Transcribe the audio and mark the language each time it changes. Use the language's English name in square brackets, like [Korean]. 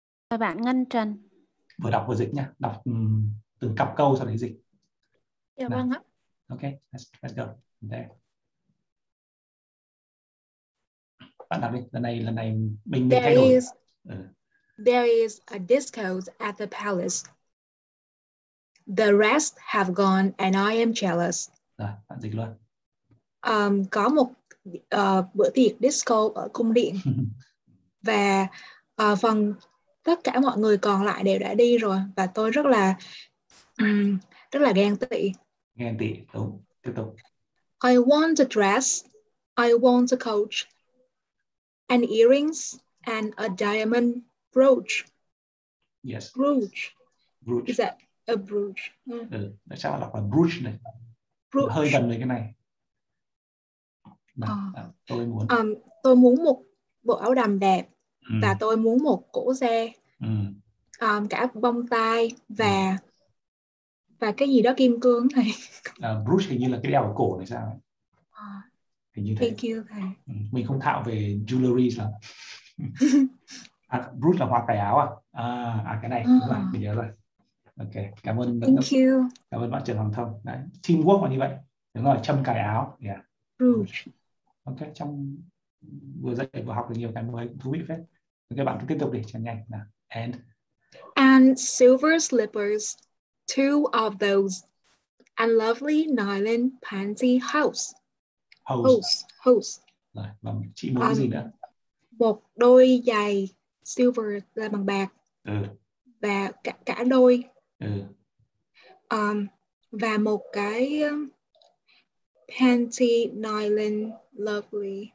[Vietnamese] Mời bạn Ngân Trần. Vừa đọc vừa dịch nha, đọc từng cặp câu sau đấy dịch. Dạ vâng ạ. [English] Ok, let's go. There. [Vietnamese] Bạn đọc đi, lần này mình thay đổi. [English] There is a disco at the palace. The rest have gone and I am jealous. [Vietnamese] Rồi, bạn dịch luôn. Có một bữa tiệc disco ở cung điện. Và phần tất cả mọi người còn lại đều đã đi rồi và tôi rất là ghen tị. Ghen tị, đúng. Tiếp tục. [English] I want a dress, I want a coach, and earrings and a diamond brooch. Yes. Brooch. Is that a brooch? [Vietnamese] Ừ, chắc là đọc là brooch này. Brooch. Hơi gần với cái này. Tôi muốn. Tôi muốn một bộ áo đầm đẹp và tôi muốn một cổ xe, cả bông tai và cái gì đó kim cương này. Brooch hình như là cái đeo ở cổ này sao? Hình như thế. [English] Thank you, [Vietnamese] thầy. Mình không thạo về jewelry lắm. Brooch là hoa cài áo à? À cái này. Mình nhớ rồi. Ok, cảm ơn. [English] Thank you. [Vietnamese] Cảm ơn bạn Trần Hoàng Thông. Đấy, teamwork là như vậy. Đúng rồi, châm cài áo. Yeah. [English] True. [Vietnamese] Ok, trong vừa dạy vừa học được nhiều cái mới thú vị phết. Ok, bạn cứ tiếp tục đi, cho nhanh. [English] Nào. And. And silver slippers, two of those, and lovely nylon panty hose. Hose. [Vietnamese] Rồi, và chị muốn cái gì nữa? Một đôi giày silver là bằng bạc. Ừ. Và cả đôi. Ừ. Và một cái panty nylon lovely.